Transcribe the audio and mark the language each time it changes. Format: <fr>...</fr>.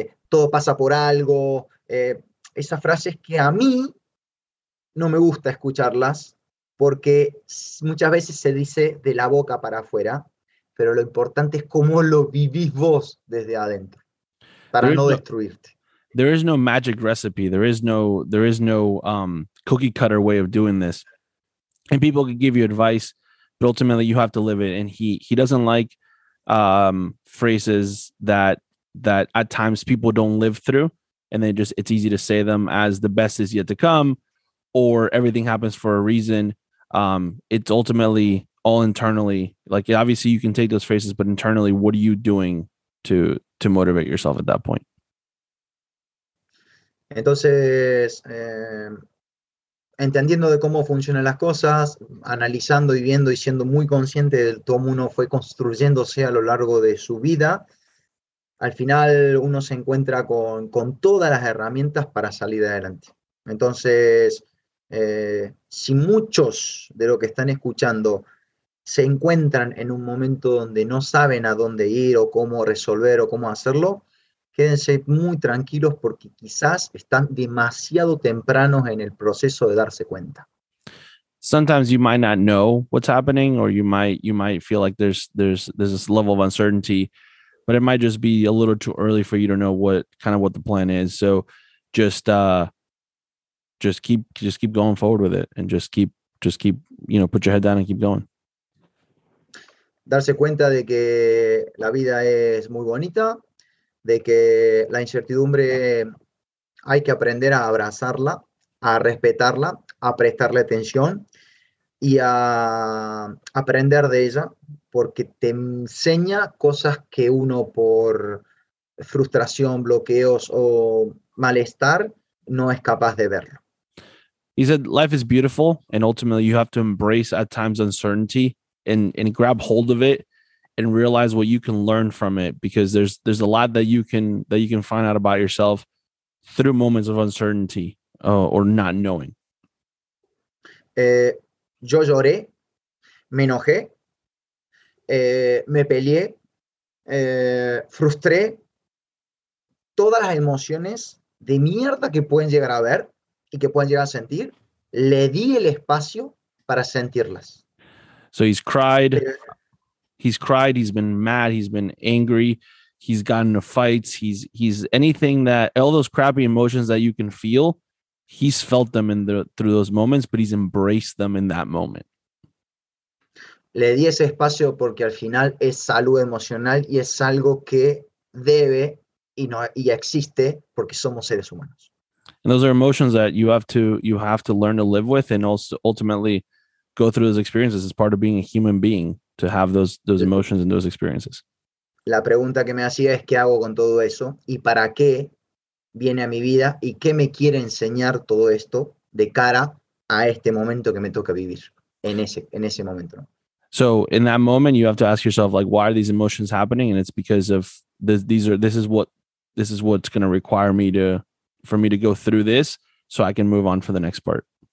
<es>todo pasa por algo, esas frases que a mí no me gusta escucharlas porque muchas veces se dice de la boca para afuera, pero lo importante es cómo lo vivís vos desde adentro para no destruirte.</es> <en>There is no magic recipe. There is no cookie cutter way of doing this. And people can give you advice, but ultimately you have to live it. And he doesn't like phrases that at times people don't live through, and they just, it's easy to say them as the best is yet to come, or everything happens for a reason. It's ultimately all internally. Like, obviously you can take those phrases, but internally, what are you doing to motivate yourself at that point?</en> <es>Entonces, entendiendo de cómo funcionan las cosas, analizando y viendo y siendo muy consciente de cómo uno fue construyéndose a lo largo de su vida, al final uno se encuentra con todas las herramientas para salir adelante. Entonces, si muchos de los que están escuchando se encuentran en un momento donde no saben a dónde ir o cómo resolver o cómo hacerlo, quédense muy tranquilos porque quizás están demasiado tempranos en el proceso de darse cuenta.</es> <en>Sometimes you might not know what's happening, or you might feel like there's this level of uncertainty, but it might just be a little too early for you to know what the plan is. So just keep going forward with it, and just keep you know, put your head down and keep going.</en> <es>Darse cuenta de que la vida es muy bonita, de que la incertidumbre hay que aprender a abrazarla, a respetarla, a prestarle atención y a aprender de ella, porque te enseña cosas que uno por frustración, bloqueos o malestar no es capaz de verlo.</es> <en>He said life is beautiful, and ultimately you have to embrace at times uncertainty and grab hold of it and realize what you can learn from it, because there's a lot that you can find out about yourself through moments of uncertainty or not knowing.</en> <es>Yo lloré, me enojé, me peleé, frustré, todas las emociones de mierda que pueden llegar a ver y que pueden llegar a sentir, le di el espacio para sentirlas.</es> <en>So he's cried. He's cried, he's been mad, he's been angry, he's gotten into fights, he's anything that, all those crappy emotions that you can feel, he's felt them through those moments, but he's embraced them in that moment.</en> <es>Le di ese espacio porque al final es salud emocional y es algo que debe y no y existe porque somos seres humanos.</es> <en>And those are emotions that you have to learn to live with, and also ultimately go through those experiences as part of being a human being. To have those emotions and those experiences.</en> <es>La pregunta que me hacía es qué hago con todo eso y para qué viene a mi vida y qué me quiere enseñar todo esto de cara a este momento que me toca vivir en ese momento.</es> <en>So in that moment, you have to ask yourself, like, why are these emotions happening? And it's because of this is what's going to require me to go through this so I can move on for the next part.</en>